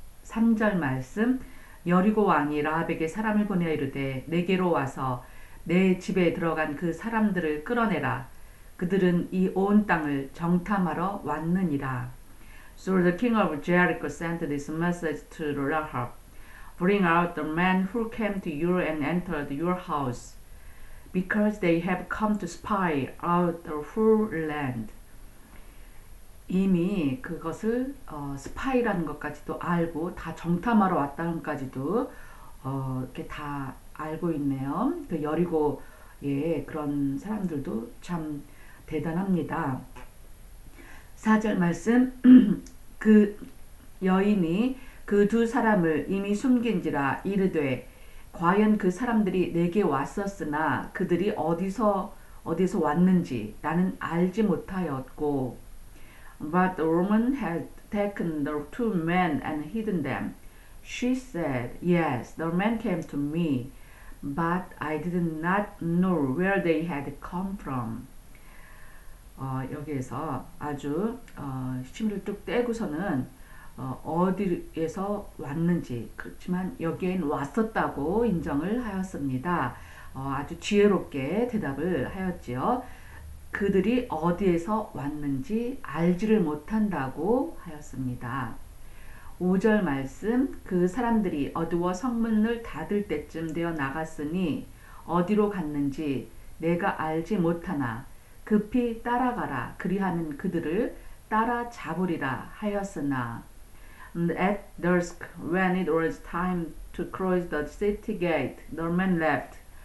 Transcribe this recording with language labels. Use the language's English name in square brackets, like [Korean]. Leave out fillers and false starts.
[Korean] 3절 말씀. 여리고 왕이 라합에게 사람을 보내어 이르되 내게로 와서 내 집에 들어간 그 사람들을 끌어내라. 그들은 이온 땅을 정탐하러 왔느니라. [English] So the king of Jericho sent this message to Rahab. Bring out the men who came to you and entered your house, because they have come to spy out the whole land. [Korean] 이미 그것을 스파이라는 것까지도 알고 다 정탐하러 왔다는 것까지도 이렇게 다 알고 있네요. 그 여리고의 그런 사람들도 참 대단합니다. 4절 말씀 그 여인이 그두 사람을 이미 숨긴지라 이르되 과연 그 사람들이 내게 왔었으나 그들이 어디서 왔는지 나는 알지 못하였고 [English] But the woman had taken the two men and hidden them. She said, Yes, the men came to me, but I did not know where they had come from. [Korean] 여기에서 아주 침을 뚝 떼고서는 어디에서 왔는지, 그렇지만 여기엔 왔었다고 인정을 하였습니다. 아주 지혜롭게 대답을 하였지요. 그들이 어디에서 왔는지 알지를 못한다고 하였습니다. 5절 말씀, 그 사람들이 어두워 성문을 닫을 때쯤 되어 나갔으니 어디로 갔는지 내가 알지 못하나 급히 따라가라. 그리하면 그들을 따라잡으리라 하였으나. [English] And at dusk, when it was time to cross the city gate, the men left.